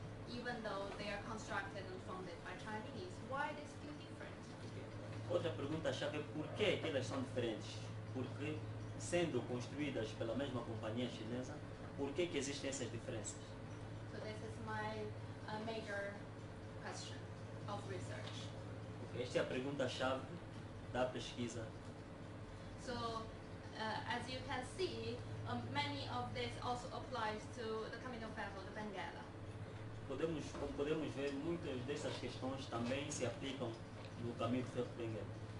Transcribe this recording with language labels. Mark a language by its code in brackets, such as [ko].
[en] Even though they are constructed and founded by Chinese, why are they still different? Okay. [pt] Outra pergunta-chave é por que elas são diferentes? Porque sendo construídas pela mesma companhia chinesa, por que que existem essas diferenças? [en] So this is my major question of research. [pt] Okay. Esta é a pergunta-chave da pesquisa. [en] So, as you can see, many of this also applies to the Camino Ferro de Benguela. [pt] Podemos, como podemos ver, muitas dessas questões também se aplicam no Camino Ferro de Benguela.